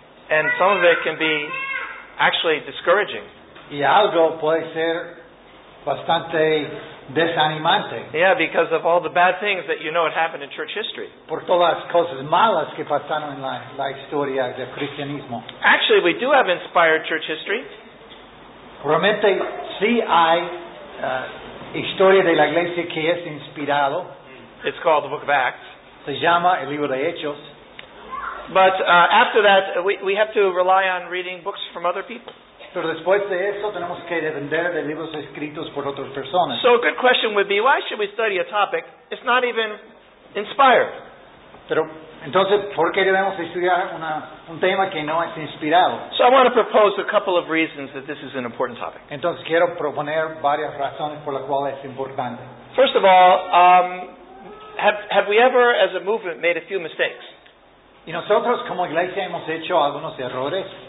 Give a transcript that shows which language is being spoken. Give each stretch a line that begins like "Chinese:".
English: And some of it can be actually discouraging.
Spanish: Y algo puede ser bastante desanimante.
English: Yeah, because of all the bad things that you know had happened in church history.
Spanish: Por todas las cosas malas que pasaron en la historia del cristianismo.
English: Actually, we do have inspired church history.
Spanish: Realmente sí hay historia de la iglesia que es inspirado.
English: It's called the Book of Acts.
Spanish: Se llama el libro de Hechos.
English: But after that, we have to rely on reading books from other people.
Spanish: Pero después de eso tenemos que depender de libros escritos por otras personas.
English: So a good question would be, why should we study a topic it's not even inspired?
Spanish: Pero entonces, ¿por qué debemos estudiar un tema que no es inspirado?
English: So I want to propose a couple of reasons that this is an important topic.
Spanish: Entonces quiero proponer varias razones por las cuales es importante.
English: First of all, have we ever, as a movement, made a few mistakes?
Spanish: ¿Y nosotros como iglesia hemos hecho algunos errores?